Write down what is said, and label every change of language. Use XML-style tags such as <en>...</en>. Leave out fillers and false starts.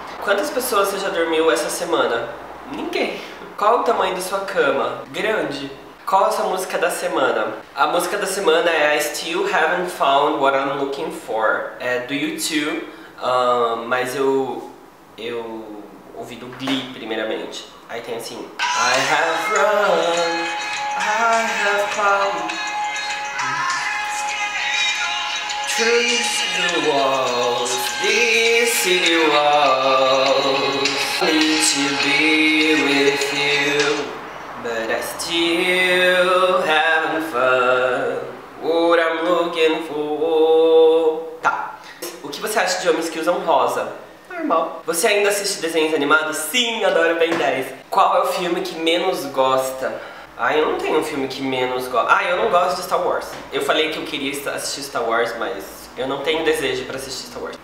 <pt>Quantas pessoas você já dormiu essa semana? Ninguém. Qual o tamanho da sua cama? Grande. Qual a sua música da semana? A música da semana é I Still Haven't Found What I'm Looking For. É do YouTube, mas eu ouvi do Glee primeiramente. Aí tem assim...</pt> <en>I have run, I have found trees the walls, these city walls. I need to be with you, but I still haven't found what I'm looking for.</en> <pt>Tá. O que você acha de homens que usam rosa? Normal. Você ainda assiste desenhos animados? Sim, adoro Ben 10. Qual é o filme que menos gosta? Ah, eu não tenho um filme que menos gosta. Ah, eu não gosto de Star Wars. Eu falei que eu queria assistir Star Wars, mas eu não tenho desejo pra assistir Star Wars.</pt>